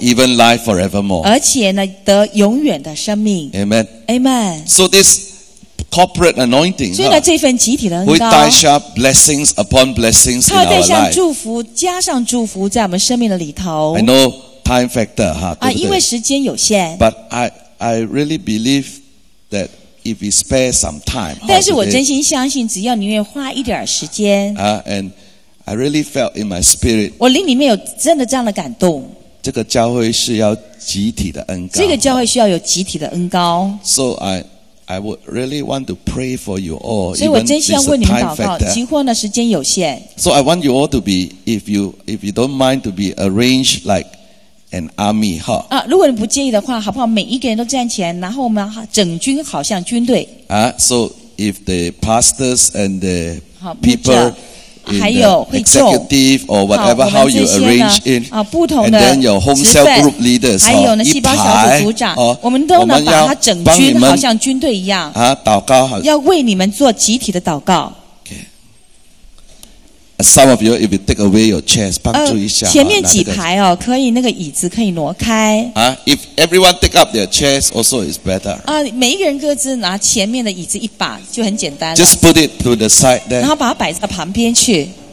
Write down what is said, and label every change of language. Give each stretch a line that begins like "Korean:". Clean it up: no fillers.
English: even life forevermore
Chinese: 而且呢得永远的生命
English: Amen. Amen. So this corporate anointing
Chinese: 所以呢这份集体的恩膏会带下
English: blessings upon blessings in our life
Chinese: 他会带上祝福加上祝福在我们生命的里头
English: I know time factor
Chinese: 哈、啊、因为时间有限
English: But I really believeThat if we spare some time,
Chinese: 但是我真心相信，只要你愿意花一点时间。
English: And I really felt in my spirit.
Chinese: 我灵里面有真的这样的感动。这个教会是要集体的恩膏。这个教会需要有集体的恩膏。
English: So I would really want to pray for you all.
Chinese: 所以我真心要为你们祷告。几乎呢，时间有限。
English: So I want you all to be, if you don't mind, to be arranged like. An army, huh?
Chinese: 啊，如果你不介意的话，好不好？每一个人都站起来，然后我们整军，好像军队。
English: 啊 ，so if the pastors and the people,
Chinese: 还有
English: executive or whatever how you arrange in
Chinese: 啊，不同的
English: and then your home cell group leaders,
Chinese: 还有呢，细胞小组组长，哦、我们都能把它整军，好像军队一样啊，祷告好，要为你们做集体的祷告。
English: Some of you, if you take away your chairs,
Chinese: 帮助一下。前面几排哦，可以那个椅子可以挪开。
English: 啊 ，If everyone take up their chairs, also is better.
Chinese: 啊，每一个人各自拿前面的椅子一把就很简单。
English: Just put it to the side then.
Chinese: 然后把它摆在旁边去。